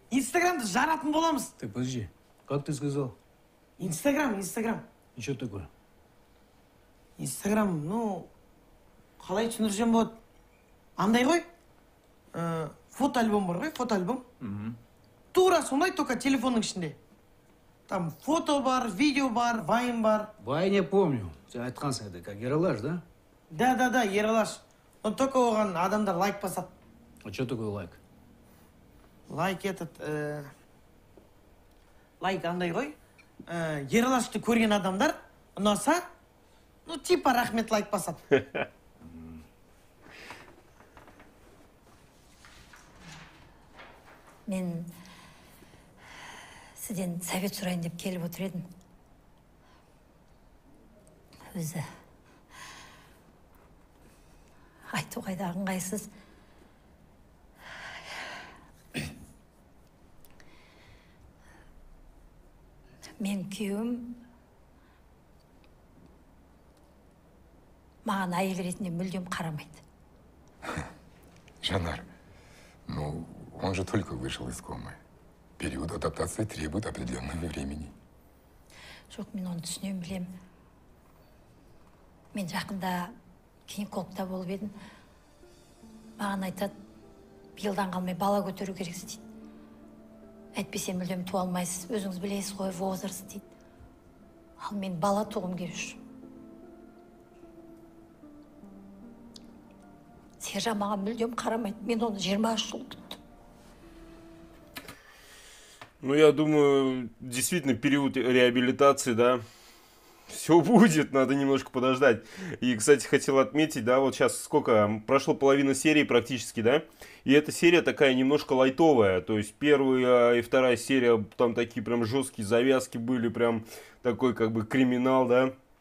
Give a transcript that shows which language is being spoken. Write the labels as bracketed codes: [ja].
[kk] Инстаграмды жаратын боламыз. [ru] Так, подожди. Как ты сказал? Инстаграм, инстаграм. И чё такое? Инстаграм, ну... [kk] Қалай түсіндірсем болады. Андай ғой. Фотоальбом бар ғой, фотоальбом. Тура сондай, [ru] только [kk] телефонның ішінде. [ru] Там фото бар, видео бар, вайн бар. Вайн я помню. [kk] Сен айтқан сайды, [ru] как ералаш, да? Да, да, да, ералаш. Но только [kk] оған адамдар лайк басады. [ru] А что такое лайк? Лайк этот... [kk] Лайк андай ғой. Ералашты көрген адамдар ұнаса, [ru] ну типа [kk] рахмет лайк басады. Мен сізден совет сұрайын деп келіп отыр едім. Өзі айту қайда ыңғайсыз. Мен күйеуім маған әйел ретінде мүлдем қарамайды. Жанар, ну... [ru] Он же только вышел из комы. Период адаптации требует определенного времени. [kk] Жоқ, мен оны түсінем, білем. Мен жақында гинекологта болып едім. Маған айтады, биылдан қалмай бала көтеру керексіз дейді. Әйтпесе мүлдем туа алмайсыз, өзіңіз білесіз ғой, возраст дейді. Ал мен бала туғым керек үшін. Сержан маған мүлдем қарамайды, мен оны 23 жыл күттім. [ru] Ну, я думаю, действительно, период реабилитации, да, все будет, надо немножко подождать. И, кстати, хотел отметить, да, вот сейчас сколько, прошло половина серии практически, да, и эта серия такая немножко лайтовая, то есть первая и вторая серия, там такие прям жесткие завязки были, прям такой как бы криминал, да.